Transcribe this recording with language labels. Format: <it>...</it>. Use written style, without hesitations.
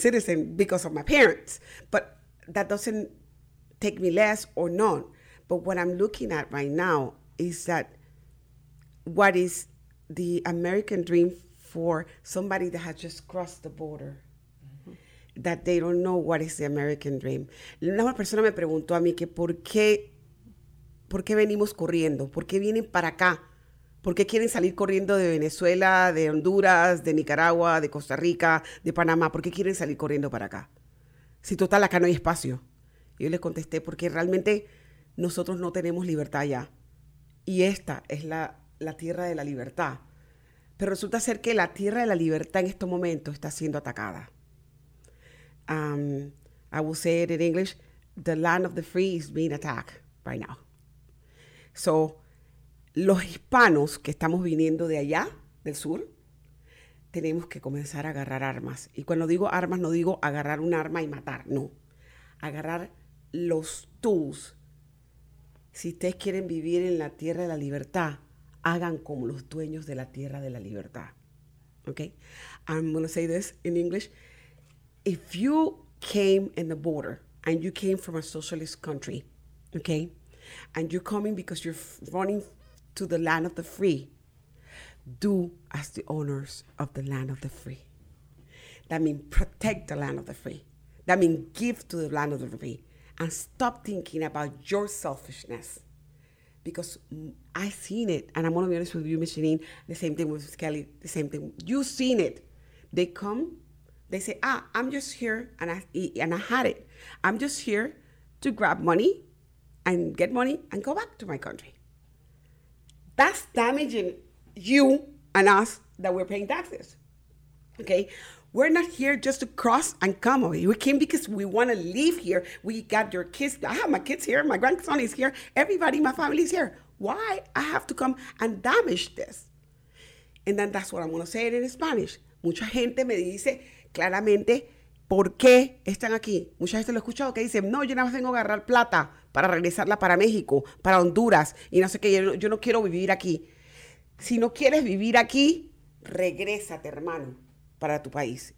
<en>citizen because of my parents. But that doesn't take me less or none. But what I'm looking at right now is that what is the American dream for somebody that has just crossed the border, that they don't know what is the American dream.</en> <es>Una persona me preguntó a mí que por qué venimos corriendo, por qué vienen para acá, por qué quieren salir corriendo de Venezuela, de Honduras, de Nicaragua, de Costa Rica, de Panamá, por qué quieren salir corriendo para acá. Si total acá no hay espacio. Yo les contesté porque realmente nosotros no tenemos libertad allá. Y esta es la tierra de la libertad. Pero resulta ser que la tierra de la libertad en estos momentos está siendo atacada.</es> <en>I will say it in English, the land of the free is being attacked right now.</en> <es>So, los hispanos que estamos viniendo de allá, del sur, tenemos que comenzar a agarrar armas. Y cuando digo armas, no digo agarrar un arma y matar, no. Agarrar los tools. Si ustedes quieren vivir en la tierra de la libertad, hagan como los dueños de la tierra de la libertad.</es> <en>Okay? I'm going to say this in English. If you came in the border and you came from a socialist country, okay, and you're coming because you're running to the land of the free, do as the owners of the land of the free. That means protect the land of the free. That means give to the land of the free and stop thinking about your selfishness. Because I've seen it, and I'm going to be honest with you, Micheline, the same thing with Kelly, the same thing. You've seen it. They come. They say, I'm just here, and I had it. I'm just here to grab money and get money and go back to my country. That's damaging you and us that we're paying taxes, okay? We're not here just to cross and come over. We came because we want to leave here. We got your kids. I have my kids here. My grandson is here. Everybody, my family is here. Why I have to come and damage this? And then that's what I'm going to say it in Spanish.</en> <es>Mucha gente me dice claramente, ¿por qué están aquí? Mucha gente lo ha escuchado que dicen, no, yo nada más vengo a agarrar plata para regresarla para México, para Honduras, y no sé qué, yo no quiero vivir aquí. Si no quieres vivir aquí, regrésate, hermano, para tu país.</es>